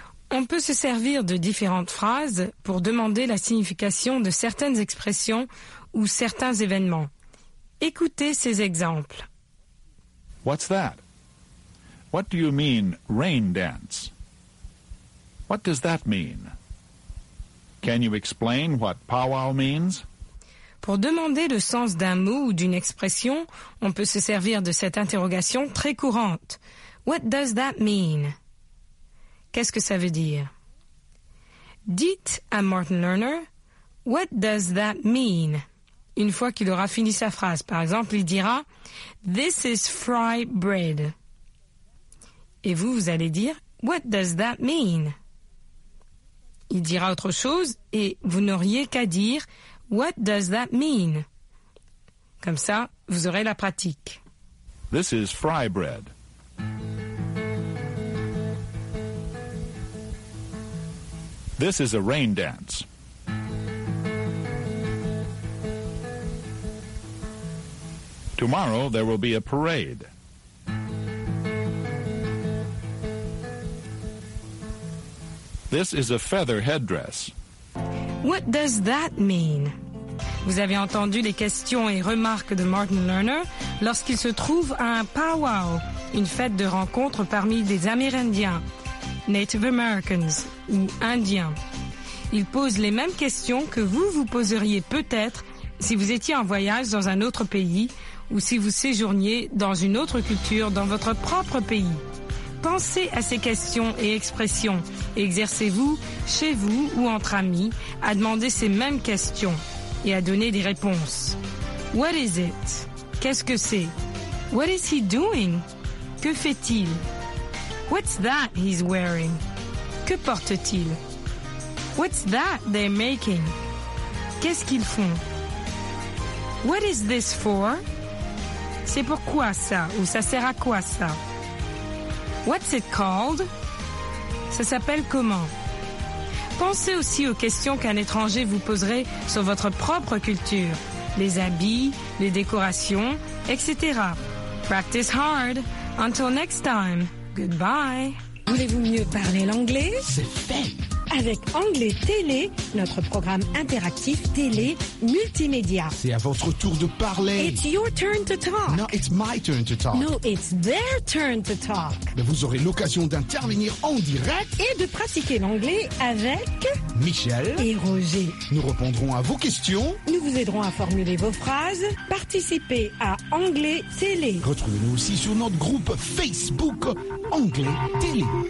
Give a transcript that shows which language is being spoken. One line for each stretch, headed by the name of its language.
French: On peut se servir de différentes phrases pour demander la signification de certaines expressions ou certains événements. Écoutez ces exemples.
English: What's that? What do you mean, rain dance? What does that mean? Can you explain what powwow means?
French: Pour demander le sens d'un mot ou d'une expression, on peut se servir de cette interrogation très courante.
English: What does that mean?
French: Qu'est-ce que ça veut dire? Dites à Martin Lerner,
English: What does that mean?
French: Une fois qu'il aura fini sa phrase, par exemple, il dira,
English: This is fry bread.
French: Et vous, vous allez dire,
English: What does that mean?
French: Il dira autre chose et vous n'auriez qu'à dire,
English: What does that mean?
French: Comme ça, vous aurez la pratique.
English: This is fry bread. This is a rain dance. Tomorrow there will be a parade. This is a feather headdress. What does that mean?
French: Vous avez entendu les questions et remarques de Martin Lerner lorsqu'il se trouve à un powwow, une fête de rencontre parmi des Amérindiens. Native Americans ou Indiens. Ils posent les mêmes questions que vous vous poseriez peut-être si vous étiez en voyage dans un autre pays ou si vous séjourniez dans une autre culture dans votre propre pays. Pensez à ces questions et expressions. Exercez-vous, chez vous ou entre amis, à demander ces mêmes questions et à donner des réponses.
English: What is it?
French: Qu'est-ce que c'est?
English: What is he doing?
French: Que fait-il?
English: What's that he's wearing?
French: Que porte-t-il?
English: What's that they're making?
French: Qu'est-ce qu'ils font?
English: What is this for?
French: C'est pour quoi ça ou ça sert à quoi ça?
English: What's it called?
French: Ça s'appelle comment? Pensez aussi aux questions qu'un étranger vous poserait sur votre propre culture, les habits, les décorations, etc.
English: Practice hard. Until next time. Goodbye.
French: Voulez-vous mieux parler l'anglais? C'est fait! Avec Anglais Télé, notre programme interactif télé multimédia. C'est à votre tour de parler.
English: It's your turn to talk. No, it's my turn to talk. No, it's their turn to talk.
French: Mais vous aurez l'occasion d'intervenir en direct. Et de pratiquer l'anglais avec... Michel. Et Roger. Nous répondrons à vos questions. Nous vous aiderons à formuler vos phrases. Participez à Anglais Télé. Retrouvez-nous aussi sur notre groupe Facebook Anglais Télé.